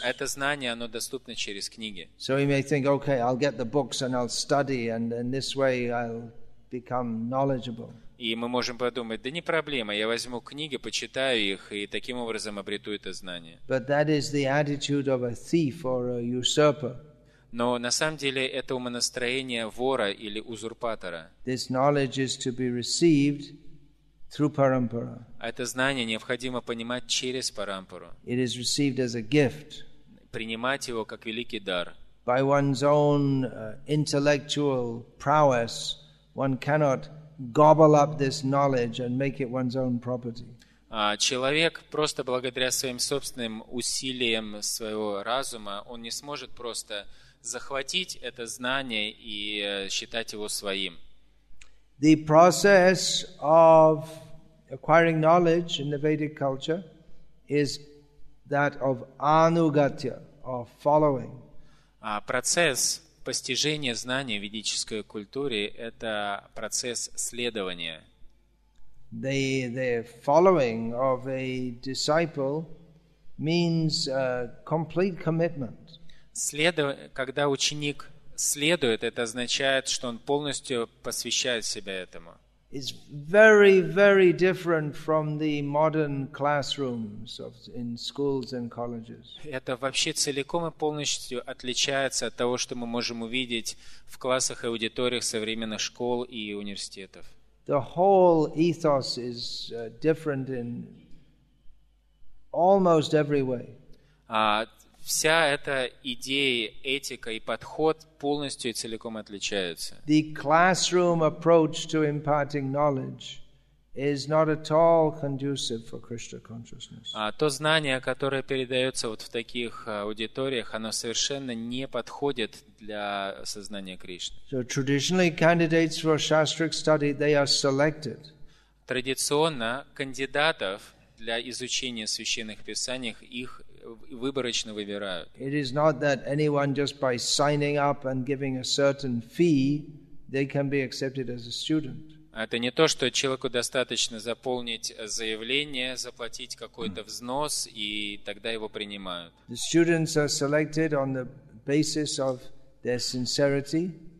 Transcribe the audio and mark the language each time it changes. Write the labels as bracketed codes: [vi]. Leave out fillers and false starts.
[ru] Это знание, оно доступно через книги. [en] So you may think, okay, I'll get the books and I'll study, and in this way I'll become knowledgeable. [ru] И мы можем подумать, да не проблема, я возьму книги, почитаю их, и таким образом обрету это знание. [en] But that is the attitude of a thief or a usurper. [ru] Но на самом деле это умонастроение вора или узурпатора. [en] This knowledge is to be received through parampara. [ru] Это знание необходимо понимать через парампару. [en] It is received as a gift. [ru] Принимать его как великий дар. [en] By one's own intellectual prowess, one cannot gobble up this knowledge and make it one's own property. [ru] Человек просто благодаря своим собственным усилиям своего разума, он не сможет просто захватить это знание и считать его своим. [en] The process of acquiring knowledge in the Vedic culture is that of anugatya, of following. [ru] Процесс постижения знания в ведической культуре – это процесс следования. [en] The following of a disciple means a complete commitment. [ru] Когда ученик следует, это означает, что он полностью посвящает себя этому. [en] It's very, very different from the modern classrooms in schools and colleges. [ru] Это вообще целиком и полностью отличается от того, что мы можем увидеть в классах и аудиториях современных школ и университетов. [en] The whole ethos is different in almost every way. [ru] Вся эта идея, этика и подход полностью и целиком отличаются. [en] The classroom approach to imparting knowledge is not at all conducive for Krishna consciousness. [ru] То знание, которое передается вот в таких аудиториях, оно совершенно не подходит для сознания Кришны. [en] So traditionally, candidates for shastric study, they are selected. [ru] Традиционно кандидатов для изучения священных писаний, их выборочно выбирают. [en] It is not that anyone just by signing up and giving a certain fee, they can be accepted as a student. [ru] Это не то, что человеку достаточно заполнить заявление, заплатить какой-то взнос, и тогда его принимают. [en] The students are selected on the basis of their sincerity.